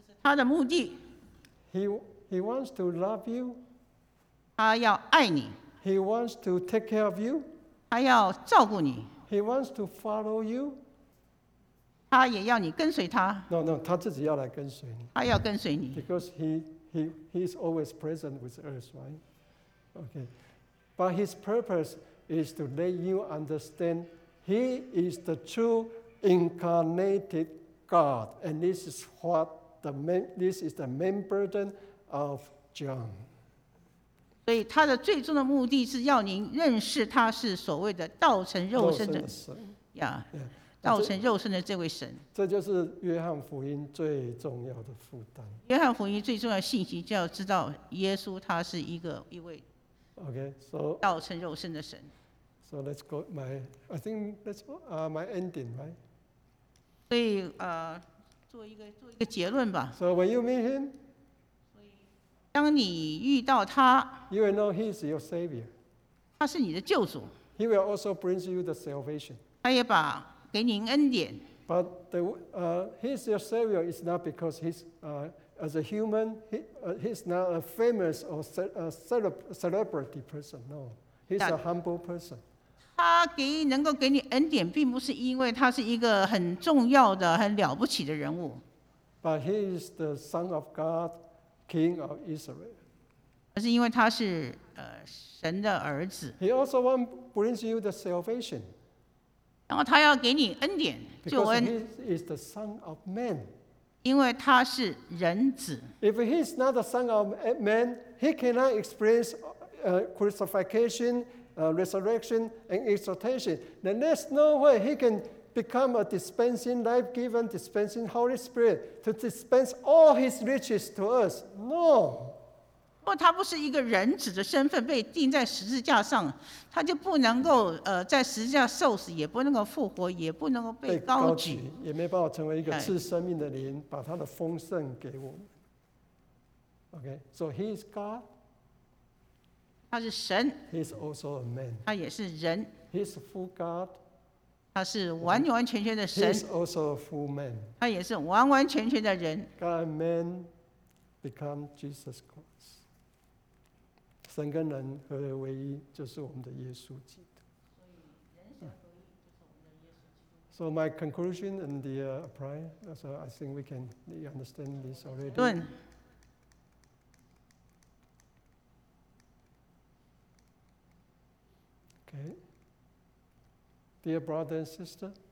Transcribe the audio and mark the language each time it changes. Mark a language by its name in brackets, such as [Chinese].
[Chinese] 他的目的。 [English] He wants to love you. [Chinese] 他要爱你。 [English] He wants to take care of you. [Chinese] 他要照顾你。 [English] He wants to follow you. [Chinese] 他也要你跟随他。 No, 他自己要来跟随你。他要跟随你。 [English] Because he is always present with us, right? Okay. But his purpose is to let you understand he is the true incarnated God, and this is what this is the main burden. Of John. [Chinese] 所以他的最终的目的是要您认识他是所谓的道成肉身的神呀，道成肉身的这位神。这就是约翰福音最重要的负担。约翰福音最重要的信息就要知道耶稣他是一位，OK， so 道成肉身的神。 [English] So let's go. I think that's my ending, right? [Chinese] 所以做一个结论吧。 [English] So when you meet him. [Chinese] 当你遇到他 [English] ，You will know he is your savior. [Chinese] 他是你的救主。 [English] He will also bring you the salvation. [Chinese] 他也把给您恩典。 [English] But he is your savior is not because he's as a human he's not a famous or celebrity person. No, he's a humble person. [Chinese] 他能够给你恩典，并不是因为他是一个很重要的、很了不起的人物。 [English] But he is the son of God. King of Israel. [Chinese] 而是因为他是神的儿子。 [English] He also wants to bring you the salvation. [Chinese] 然后他要给你恩典，救恩。 [English] Because he is the Son of Man. [Chinese] 因为他是人子。 [English] If he is not the Son of Man, he cannot experience crucifixion, resurrection, and exaltation. Then there's no way he can become a dispensing, life-giving, dispensing Holy Spirit to dispense all his riches to us. No. [Chinese] 他不是一个人指着身份被钉在十字架上，他就不能够在十字架受死，也不能够复活，也不能够被高举，也没办法成为一个赐生命的灵，把他的丰盛给我们。 [English] Okay, so he is God. [Chinese] 他是神。 [English] He is also a man. [Chinese] 他也是人。 [English] He is full God. [Chinese] 他是完完全全的神。 [English] He is also a full man. [Chinese] 他也是完完全全的人。 [English] God and man become Jesus Christ. [Chinese] 神跟人合而为一，就是我们的耶稣基督。 [English] So my conclusion and the prayer, so I think we can understand this already. [Chinese] 论。 [English] Okay. Dear brother and sister,